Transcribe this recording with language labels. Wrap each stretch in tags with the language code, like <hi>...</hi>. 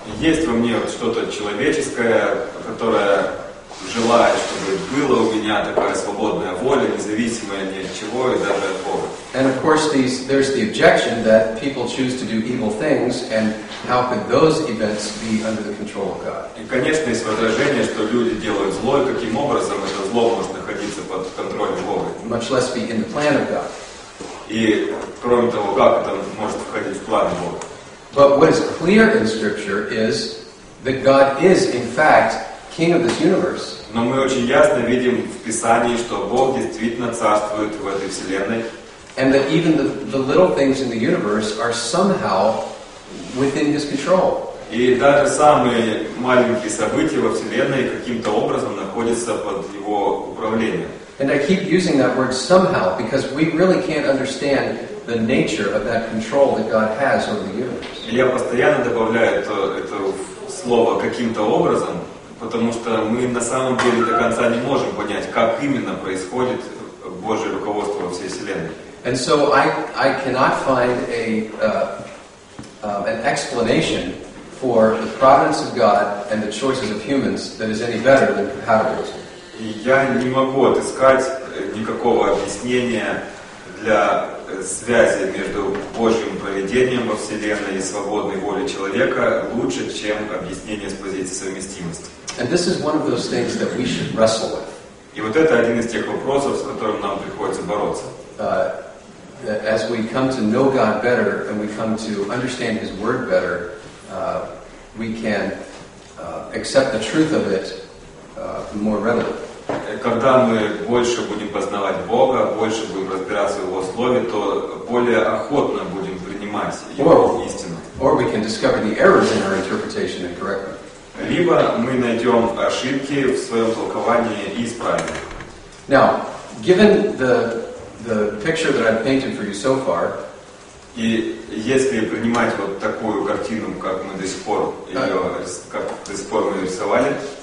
<ru>Есть во мне что-то человеческое, которое желает, чтобы было у меня такая свободная воля, независимая ни от чего и даже от Бога.</ru> <en>And of course, there's the objection that people choose to do evil things, and how could those events be under the control of God?</en> <ru>И, конечно, есть возражение, что люди делают зло, и каким образом это зло может находиться под контролем Бога?</ru> <en>Much less be in the plan of God.</en> <ru>И, кроме того, как это может входить в план Бога?</ru> <en>But what is clear in Scripture is that God is, in fact, King of this universe.</en> <ru>Но мы очень ясно видим в Писании, что Бог действительно царствует в этой вселенной.</ru> <en>And that even the little things in the universe are somehow within His control.</en> <ru>И даже самые маленькие события во вселенной каким-то образом находятся под Его управлением.</ru> <en>And I keep using that word somehow because we really can't understand the nature of that control that God has over the universe.</en> <ru>Я постоянно добавляю это слово каким-то образом, потому что мы на самом деле до конца не можем понять, как именно происходит Божье руководство во всей вселенной.</ru> <en>And so I cannot find an explanation for the providence of God and the choices of humans that is any better than compatibilism.</en> <ru>Я не могу отыскать никакого объяснения для связи между Божьим проведением во Вселенной и свободной волей человека лучше, чем объяснение с позиции совместимости.</ru> <en>And this is one of those things that we should wrestle with.</en> <ru>И вот это один из тех вопросов, с которым нам приходится бороться.</ru> <en>As we come to know God better and we come to understand His Word better, we can accept the truth of it more readily.</en> <ru>Когда мы больше будем познавать Бога, больше будем разбираться в Его Слове, то более охотно будем принимать Его истину.</ru> <en>Or we can discover the errors in our interpretation and correct them.</en> <ru>Либо мы найдем ошибки в своем толковании и исправим.</ru> <en>Now, given the picture that I've painted for you so far.</en> <ru>И если принимать вот такую картину, как мы до сих пор мы рисовали,</ru>